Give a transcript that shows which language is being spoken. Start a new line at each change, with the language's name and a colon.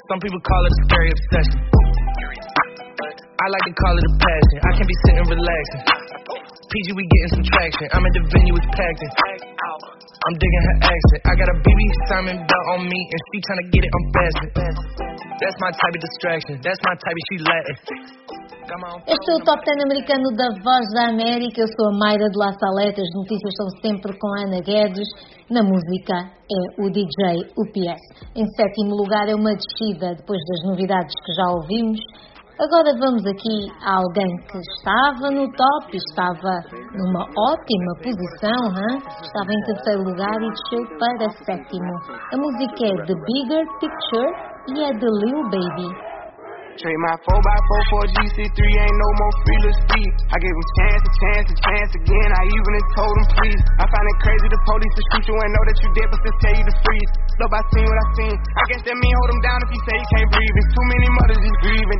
English: Some people call it a scary obsession. I like to call it a passion. I can't be sitting relaxing. PG, we getting some traction. I'm at the venue, it's packed. I'm digging her accent. I got a BB Simon belt on me, and she trying to get it, I'm fastin'. That's my type of distraction. That's my type of she Latin.
Portuguese: Este é o Top 10 americano da Voz da América. Eu sou a Mayra de La Salete. As notícias estão sempre com a Ana Guedes. Na música é o DJ UPS. Em sétimo lugar é uma descida, depois das novidades que já ouvimos. Agora vamos aqui a alguém que estava no top, estava numa ótima posição, hein? Estava em terceiro lugar e desceu para sétimo. A música é The Bigger Picture e é de Lil Baby.
English: Trade my 4x4 for GC3, ain't no more free to speak. I gave him chance, a chance, a chance again. I even told him please. I find it crazy the police to shoot you and know that you dead, but still tell you to freeze. Love, I seen what I seen. I guess that mean hold him down if you say he can't breathe. It's too many mothers just grieving.